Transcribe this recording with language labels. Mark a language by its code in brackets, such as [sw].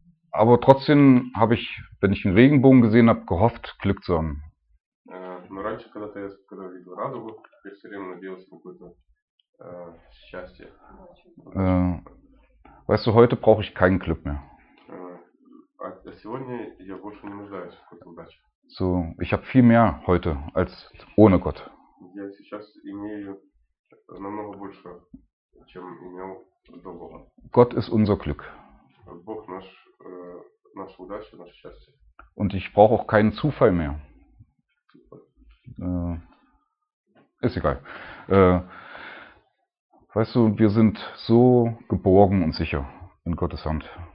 [de] Aber trotzdem habe ich, wenn ich einen Regenbogen gesehen habe, gehofft, Glück zu haben. [ru] Но раньше, когда-то я когда видел радугу, я все время надеялся на какое-то счастье. [de] Weißt du, heute brauche ich kein Glück mehr. [ru] А сегодня я больше не нуждаюсь в какой-то удаче. [de] So, ich habe viel mehr heute als ohne Gott. [ru] Я сейчас имею намного больше, чем имел до Бога. [de] Gott ist unser Glück. [ru] Бог наш, наша удача, наше счастье. [de] Und ich brauche auch keinen Zufall mehr. Ist egal. Weißt du, wir sind so geborgen und sicher in Gottes Hand.